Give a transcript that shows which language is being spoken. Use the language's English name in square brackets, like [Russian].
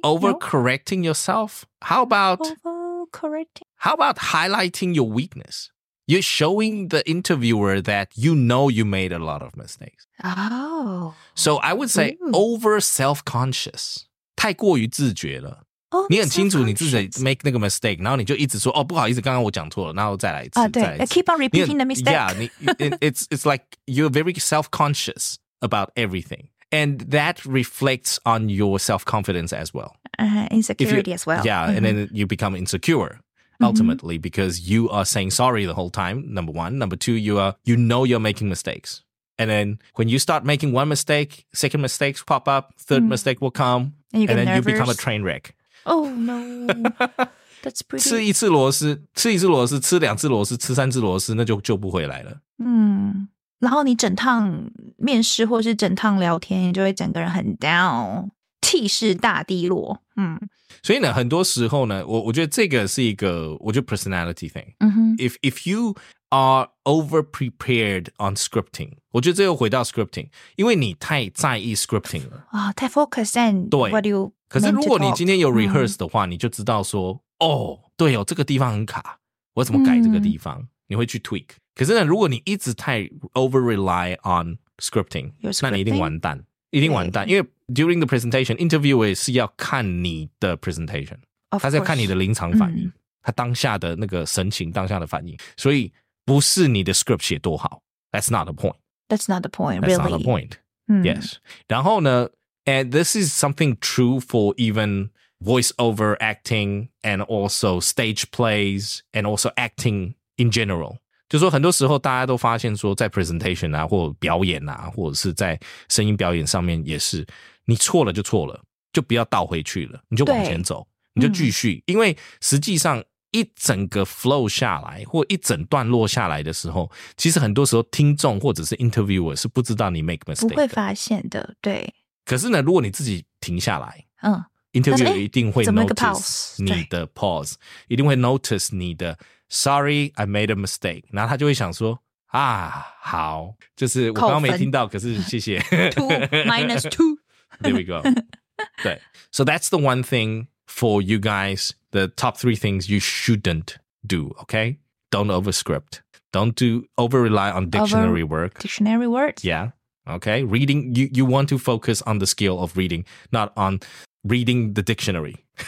[English] Overcorrecting yourself? How about overcorrecting? How about highlighting your weakness? You're showing the interviewer that you know you made a lot of mistakes. Oh. So I would say over self-conscious. [Chinese] 太过于自觉了。你很清楚你自己 make 那个 mistake, 然后你就一直说哦不好意思刚刚我讲错了然后再来一次。对。 [English] Keep on repeating the mistake. Yeah, it's like you're very self-conscious about everything. And that reflects on your self-confidence as well. Insecurity as well. Yeah, and then you become insecure. Ultimately, because you are saying sorry the whole time, number one. Number two, you know you're making mistakes. And then when you start making one mistake, second mistakes pop up, third mistake will come. And then you become a train wreck. Oh, no. That's pretty. [Chinese] 吃一次螺丝,吃两次螺丝,吃三次螺丝,那就不回来了。然后你整趟面试或是整趟聊天,你就会整个人很 down。气势大低落，所以呢，很多时候呢，我觉得这个是一个，我觉得 personality thing。 If you are over prepared on scripting，我觉得这又回到 scripting， 因为你太在意 scripting 了 [English] 啊，太 focus on what you。 [Chinese] 可是如果你今天有 rehearse 的话，你就知道说，哦，对哦，这个地方很卡，我怎么改这个地方？你会去 tweak。可是呢，如果你一直太 over rely on scripting，那你一定完蛋。一定完蛋，因为 during the presentation, interviewer 是要看你的 presentation， 他是要看你的临场反应，他当下的那个神情，当下的反应，所以不是你的 script 写多好 ， That's not the point. [English] That's not the point. Really. That's not the point. Yes. 然后呢，and this is something true for even voiceover acting and also stage plays and also acting in general. [Chinese] 就是说很多时候大家都发现说在 presentation 啊或表演啊或者是在声音表演上面也是你错了就错了就不要倒回去了你就往前走你就继续因为实际上一整个 flow 下来或一整段落下来的时候其实很多时候听众或者是 interviewer 是不知道你 make mistake 不会发现的对可是呢如果你自己停下来interviewer 一定会 notice 你的 pause 一定会 notice 你的 Sorry, I made a mistake. 然后他就会想说啊，好，就是我刚刚没听到，可是谢谢。 2-2. [English] There we go. 对 ，So that's the one thing for you guys. The top three things you shouldn't do. Okay, don't overscript. Don't do over rely on dictionary work. Dictionary words. Yeah. Okay. Reading. You want to focus on the skill of reading, not on reading the dictionary.